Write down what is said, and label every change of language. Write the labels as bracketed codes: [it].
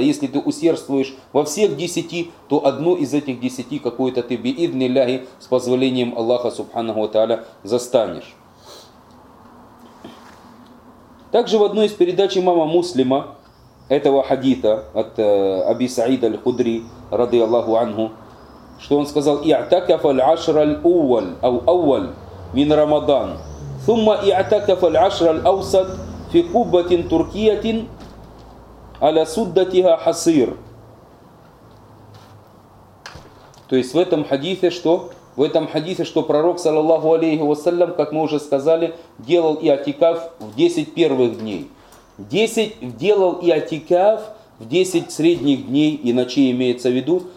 [ru] Если ты усердствуешь во всех десяти, то одну из этих десяти какую-то ты биидни ляхи с позволением Аллаха Субхану ва Тааля застанешь. Также в одной из передач имама Муслима этого хадита от Аби Саид аль-Худри, ради Аллаху ангу, что он сказал: «Иатакафа л-ашра л-ауваль, ау ауваль, мин Рамадан». [ar] ثم اعتكف العشر الأوسط في قبة تركية على سدتها حصير. [ru] То есть в этом хадисе что? В этом хадисе, что пророк, саллаллаху алейхи вассалям, как мы уже сказали, делал иатикаф в 10 первых дней. 10 делал иатикаф в 10 средних дней и ночей, имеется в виду.